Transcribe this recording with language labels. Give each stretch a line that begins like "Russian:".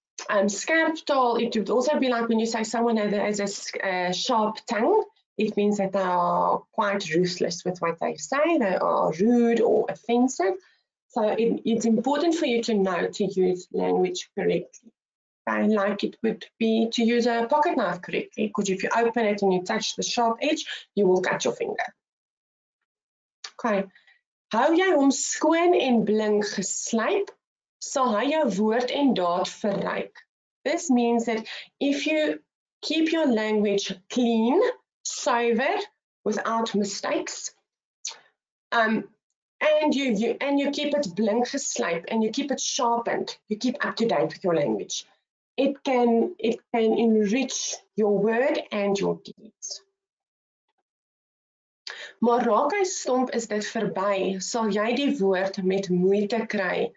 English: Scherp taal, it would also be like when you say someone has a sharp tongue, it means that they are quite ruthless with what they say, they are rude or offensive. So it's important for you to know to use language correctly. And like it would be to use a pocket knife correctly, because if you open it and you touch the sharp edge, you will cut your finger. Okay.
Afrikaans: Hou jy hom skoon en blink geslyp, sal hy jou woord en daad verryk.
English: This means that if you keep your language clean, sober, without mistakes, and you keep it
Afrikaans: blink geslyp,
English: and you keep it sharpened, you keep up to date with your language, It can enrich your word and your deeds.
Afrikaans: Maar raak hy stomp, is dit verby, sal jy die woord met moeite kry.